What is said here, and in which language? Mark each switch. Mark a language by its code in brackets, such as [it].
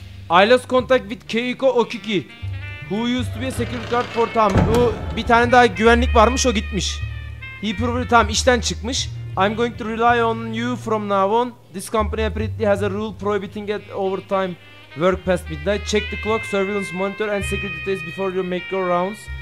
[en] I lost contact with Keiko Okiki, who used to be a security guard for Tom. [tr] Bu bir tane daha güvenlik varmış, o gitmiş. [en] He probably [tr] tam işten çıkmış. [en] I'm going to rely on you from now on. This company apparently has a rule prohibiting it overtime work past midnight. Check the clock, surveillance monitor and security details before you make your rounds.